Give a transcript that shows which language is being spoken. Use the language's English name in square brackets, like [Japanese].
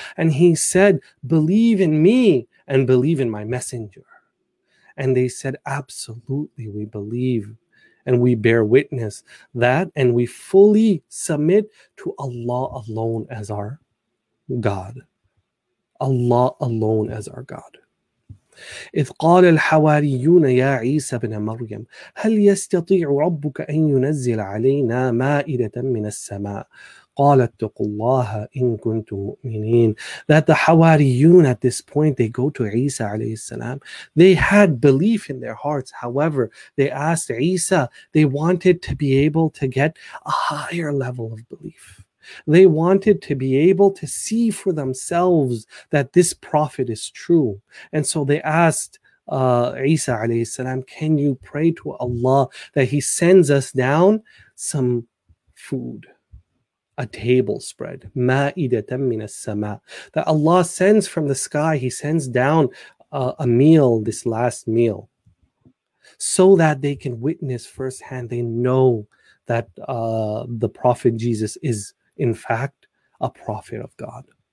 [English] And he said, believe in me and believe in my messenger. And they said, absolutely, we believe and we bear witness that, and we fully submit to Allah alone as our God. Allah alone as our God. [Arabic] إِذْ قَالَ الْحَوَارِيُّونَ يَا عِيسَى بْنَ مَرْيَمَ هَلْ يَسْتَطِيعُ رَبُّكَ أَنْ يُنَزِّلَ عَلَيْنَا مَائِدَةً مِنَ السَّمَاءِ قَالَ اتَّقُوا اللَّهَ إِن كُنْتُم مُؤْمِنِينَ, [English] that the Hawariyun at this point, they go to Isa alayhi salam. They had belief in their hearts. However, they asked Isa, they wanted to be able to get a higher level of belief. They wanted to be able to see for themselves that this prophet is true. And so they asked Isa alayhi salam, can you pray to Allah that he sends us down some food, a table spread, ma'idatan min as-sama, that Allah sends from the sky, he sends down a meal, this last meal, so that they can witness firsthand, they know that the prophet Jesus is in fact a prophet of God.